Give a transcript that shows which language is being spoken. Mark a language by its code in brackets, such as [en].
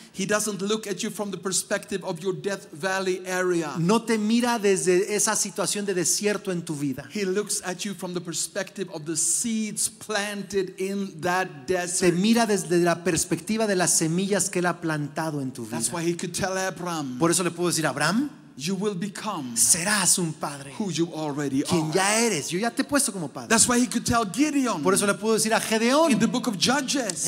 [en] he doesn't look at you from the perspective of your death valley area. [es] No te mira desde esa situación de desierto en tu vida. [en] He looks at you from the perspective of the seeds planted in that desert. [es] Te mira desde la perspectiva de las semillas que él ha plantado en tu vida. [en] That's why he could tell Abraham. [es] Por eso le puedo decir a Abraham, [en] you will become [es] serás un padre [en] who you already [es] quien [en] are. [es] Ya eres yo ya te he puesto como padre [en] that's why he could tell Gideon [es] por eso le puedo decir a Gedeón [en] in the book of Judges